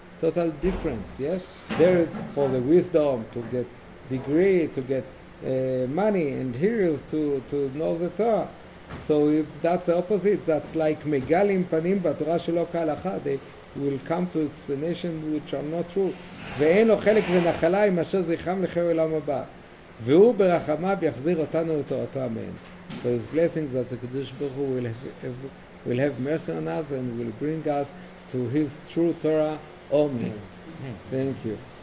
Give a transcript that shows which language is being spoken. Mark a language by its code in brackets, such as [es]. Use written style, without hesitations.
[en] Total different, yes? There it's for the wisdom, to get degree, to get money, and here is to know the Torah. So if that's the opposite, that's like [he] Megalim Panim Batura Shelo Kalacha. [en] They will come to explanations which are not true. [he] Ve'en lo chelek v'nachalai masher zicham l'cheu elam haba. והוא ברחמיו יחזיר אותנו לתורתו אמן. [en] So his blessing that the Kedush Baruch Hu will have mercy on us and will bring us to his true Torah. Amen. Thank you.